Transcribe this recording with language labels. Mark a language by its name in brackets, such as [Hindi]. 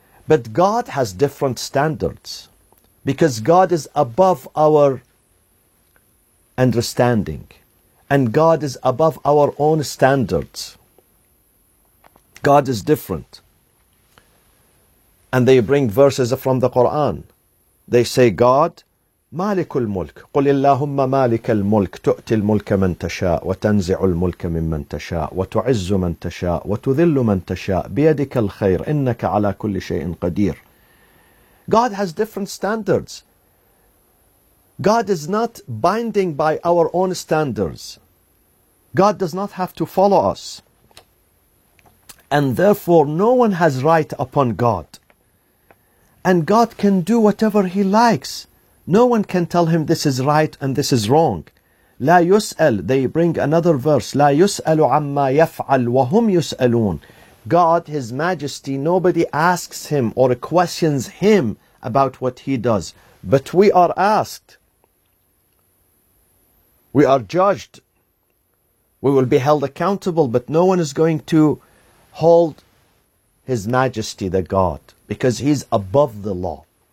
[English] But God has different standards, because God is above our understanding. And God is above our own standards. God is different. And they bring verses from the Quran. They say, God, Malikul Mulk, [Arabic] قل اللهم مالك الملك تؤتي الملك من تشاء وتنزع الملك ممن تشاء وتعز من تشاء وتذل من تشاء بيدك الخير إنك على كل شيء قدير. [English] God has different standards. God is not binding by our own standards. God does not have to follow us. And therefore, no one has right upon God. And God can do whatever He likes. No one can tell Him this is right and this is wrong. [Arabic] لا يسأل, [English] they bring another verse. [Arabic] لا يسأل عما يفعل وهم يسألون. [English] God, His Majesty, nobody asks Him or questions Him about what He does. But we are asked. We are judged. We will be held accountable, but no one is going to hold His Majesty, the God, because He's above the law.